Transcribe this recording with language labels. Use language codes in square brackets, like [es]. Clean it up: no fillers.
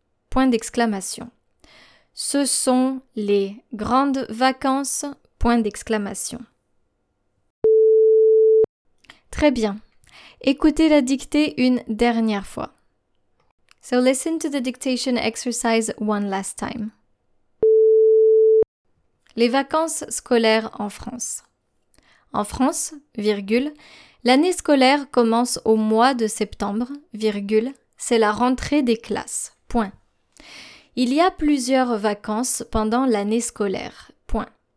[fr] Point d'exclamation. Ce sont les grandes vacances. Point d'exclamation. Très bien. Écoutez la dictée une dernière fois. [en] So listen to the dictation exercise one last time. [fr] Les vacances scolaires en France. En France, virgule, l'année scolaire commence au mois de septembre, virgule, c'est la rentrée des classes. Point. Il y a plusieurs vacances pendant l'année scolaire. Point.